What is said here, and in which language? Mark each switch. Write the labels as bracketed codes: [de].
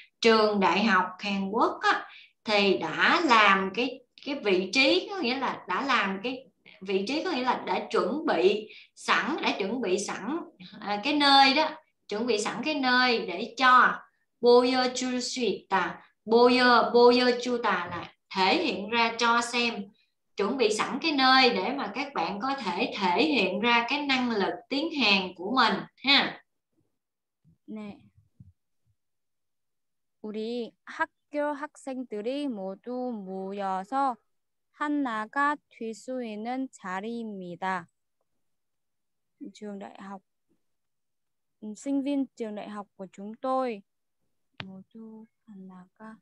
[vi] Trường đại học Hàn Quốc á, thì đã làm cái vị trí, có nghĩa là đã làm cái vị trí, có nghĩa là đã chuẩn bị sẵn cái nơi đó, chuẩn bị sẵn cái nơi để cho Boyer Chuta là thể hiện ra cho xem, chuẩn bị sẵn cái nơi để mà các bạn có thể thể hiện ra cái năng lực tiếng Hàn của mình ha. Nè. [ko] 우리 학교 학생들이 모두 모여서 하나가 될 수 있는 자리입니다. [vi] Trường đại học, sinh viên trường đại học của chúng tôi, [ko] 모두 하나가.